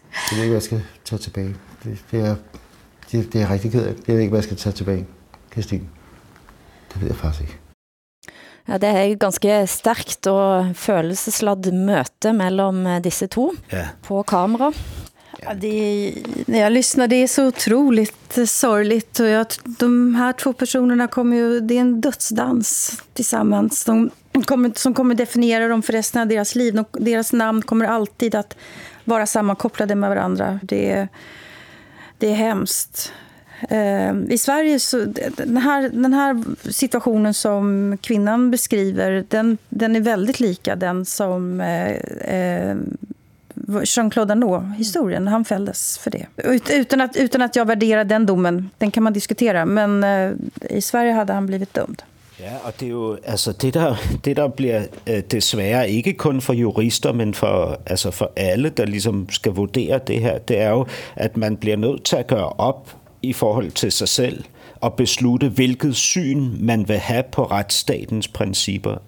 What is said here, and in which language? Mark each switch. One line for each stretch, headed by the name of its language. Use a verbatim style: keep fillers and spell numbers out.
Danish: Jeg ved ikke, hvad jeg skal tage tilbage. Det, det, er, det, det er jeg rigtig ked af. Jeg ved ikke, hvad jeg skal tage tilbage, Kirstine. Det ved jeg faktisk ikke. Ja, det er et ganske stærkt og følelsesladt møte mellem disse to ja. På kamera.
Swedish: Ja, det, när jag lyssnar, det är så otroligt sorgligt. Och jag, de här två personerna kommer ju, det är en dödsdans tillsammans. De kommer, som kommer definiera dem för resten av deras liv. De, deras namn kommer alltid att vara sammankopplade med varandra. Det, det är hemskt. I Sverige så den här, den här situationen som kvinnan beskriver, den, den är väldigt lika den som eh, Jean-Claude Arnault-historien. Han fälldes för det. Ut, utan, att, utan att jag värderar den domen, den kan man diskutera, men eh, i Sverige hade han blivit dömd.
Danish: Ja, og det er jo altså det der det der bliver øh, desværre ikke kun for jurister, men for altså for alle der ligesom skal vurdere det her, det er jo at man bliver nødt til at gøre op i forhold til sig selv og beslutte, hvilket syn man vil have på retsstatens principper.